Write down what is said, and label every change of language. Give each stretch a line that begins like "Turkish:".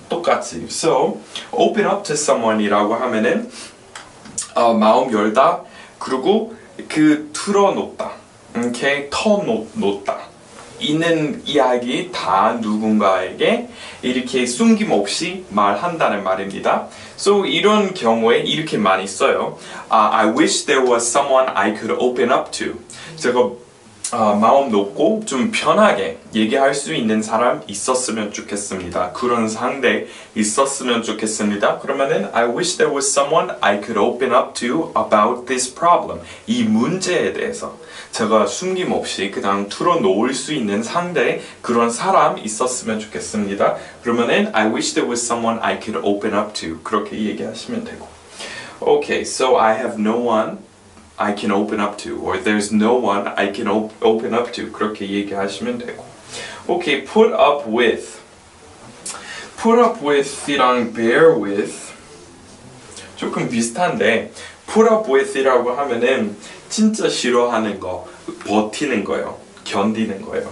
Korean: 똑같이. So,
English: open up to someone
Korean: 이라고 하면은 마음 열다, 그리고 그 틀어놓다, 이렇게 터놓다 있는 이야기 다 누군가에게 이렇게 숨김없이 말한다는 말입니다. So, 이런 경우에 이렇게 많이 써요.
English: I wish there was someone I could open up to.
Korean: 제가 마음 놓고 좀 편하게 얘기할 수 있는 사람 있었으면 좋겠습니다. 그런 상대 있었으면 좋겠습니다.
English: 그러면은 I wish there was someone I could open up to about this problem.
Korean: 이 문제에 대해서 제가 숨김없이 그냥 틀어놓을 수 있는 상대, 그런 사람 있었으면 좋겠습니다.
English: 그러면은 I wish there was someone I could open up to.
Korean: 그렇게 얘기하시면 되고.
English: Okay, so I have no one I can open up to, or there's no one I can open up to.
Korean: 그렇게 얘기하시면 되고.
English: Okay, put up with.
Korean: Put up with이랑 bear with 조금 비슷한데, put up with이라고 하면은 진짜 싫어하는 거, 버티는 거예요, 견디는 거예요.